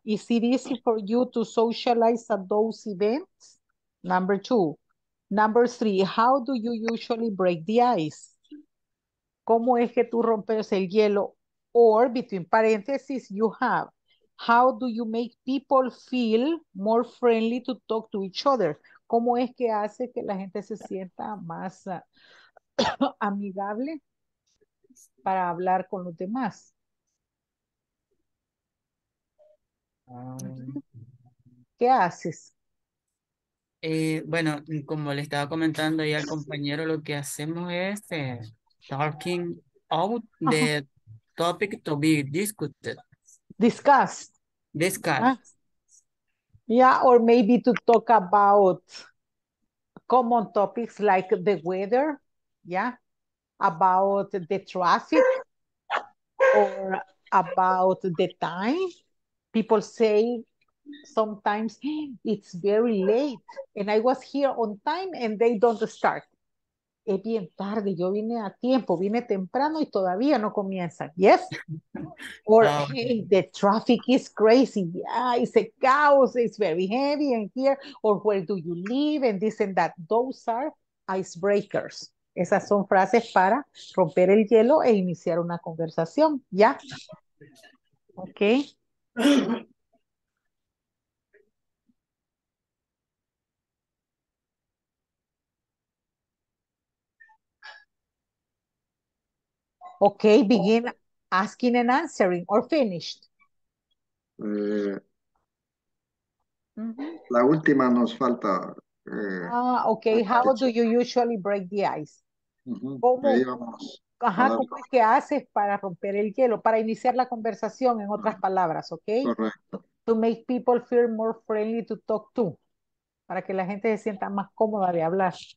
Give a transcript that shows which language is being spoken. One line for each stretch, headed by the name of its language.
English: Is it easy for you to socialize at those events? Number two. Number three, how do you usually break the ice?
Spanish: ¿Cómo es que tú rompes el hielo?
English: Or, between parentheses, you have, how do you make people feel more friendly to talk to each other?
Spanish: ¿Cómo es que hace que la gente se sienta más amigable para hablar con los demás? ¿Qué haces? Bueno, como le estaba comentando ya al compañero, lo que hacemos es...
English: talking out the topic to be discussed. Discussed. Yeah, or maybe to talk about common topics like the weather, yeah, about the traffic, or about the time. People say sometimes it's very late and I was here on time and they don't start.
Spanish: Es bien tarde, yo vine a tiempo, vine temprano y todavía no comienza.
English: Yes? Or, hey, the traffic is crazy. Yeah, it's a chaos, it's very heavy in here. Or, where do you live? And this and that. Those are icebreakers.
Spanish: Esas son frases para romper el hielo e iniciar una conversación.
English: ¿Ya? Yeah? Ok. Okay, begin asking and answering, or finished.
Spanish: La última nos falta.
English: Okay, how do you usually break the ice?
Spanish: ¿Cómo es que haces para romper el hielo? Para iniciar la conversación, en otras palabras, okay? Correcto.
English: To make people feel more friendly to talk to.
Spanish: Para que la gente se sienta más cómoda de hablar.